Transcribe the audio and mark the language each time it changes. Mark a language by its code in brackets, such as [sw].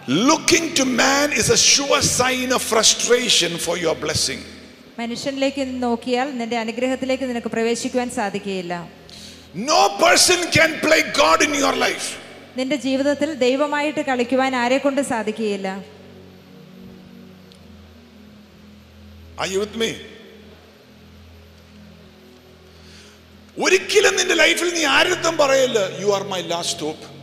[en] Looking to man is a sure sign of frustration for your blessing. [ml] മനുഷ്യനിലേക്ക് നോക്കിയാൽ നിന്റെ അനുഗ്രഹത്തിലേക്ക് നിനക്ക് പ്രവേശിക്കാൻ സാധിക്കില്ല. [en] No person can play God in your life. [ml] നിന്റെ ജീവിതത്തിൽ ദൈവമായിട്ട് കളിക്കുവാൻ ആരെക്കൊണ്ട് സാധിക്കില്ല. [en] Are you with me? [ml] ഒരിക്കലും നിന്റെ ലൈഫിൽ നീ ആരെത്തും പറയില്ല, [en] you are my last stop.